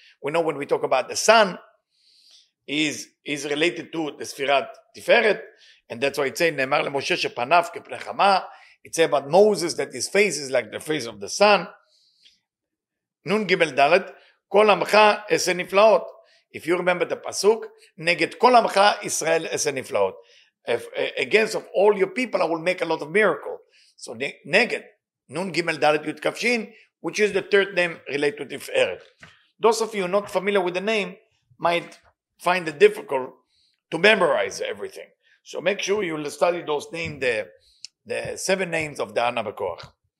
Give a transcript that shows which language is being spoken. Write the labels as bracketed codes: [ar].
[en] We know when we talk about the sun, is related to the ספירת תפארת, and that's why it's saying, [he] נאמר למשה שפניו כפני חמה, [en] it's about Moses that his face is like the face of the sun. [he] נון גימל דלת, כל עמך עשה נפלאות. [en] If you remember the pasuk, [he] נגד כל עמך ישראל עשה נפלאות. [en] If, against of all your people, I will make a lot of miracle. So נגד, נון גימל דלת יוד כפשין, which is the third name related to תפארת. Those of you not familiar with the name might find it difficult to memorize everything. So make sure you study those names, the seven names of the Ana Bekoach.